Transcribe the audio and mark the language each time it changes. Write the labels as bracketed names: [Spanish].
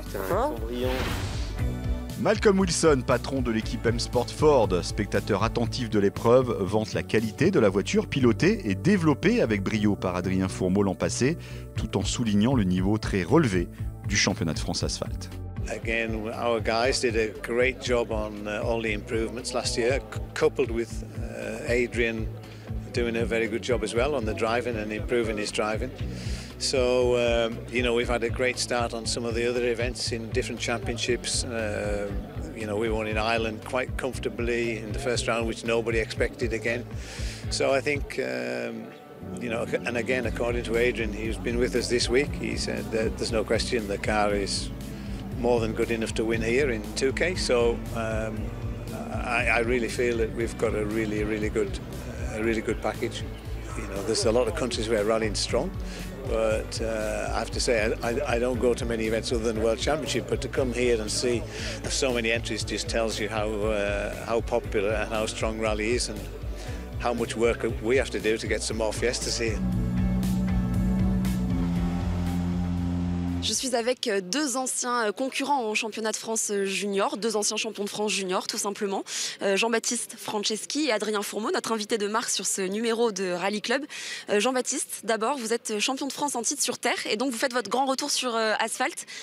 [French] putain, hein. Malcolm Wilson, patron de l'équipe M-Sport Ford, spectateur attentif de l'épreuve, vante la qualité de la voiture pilotée et développée avec brio par Adrien Fourmeau l'an passé, tout en soulignant le niveau très relevé du championnat de France Asphalt. [English] Again, our guys did a great job on all the improvements last year, coupled with Adrian doing a very good job as well on the driving and improving his driving. So, you know, we've had a great start on some of the other events in different championships. You know, we won in Ireland quite comfortably in the first round, which nobody expected again. So I think, You know, and again, according to Adrian, he's been with us this week. He said that there's no question the car is more than good enough to win here in 2K. So I really feel that we've got a really, really good, a really good package. You know, there's a lot of countries where rallying's strong, but I have to say I don't go to many events other than the World Championship. But to come here and see so many entries just tells you how popular and how strong rally is, and how much work we have to do to get some more Fiestas here. [French] Je suis avec deux anciens concurrents au championnat de France junior, deux anciens champions de France junior tout simplement, Jean-Baptiste Franceschi et Adrien Fourmeau, notre invité de marque sur ce numéro de Rallye Club. Jean-Baptiste, d'abord, vous êtes champion de France en titre sur terre et donc vous faites votre grand retour sur asphalte.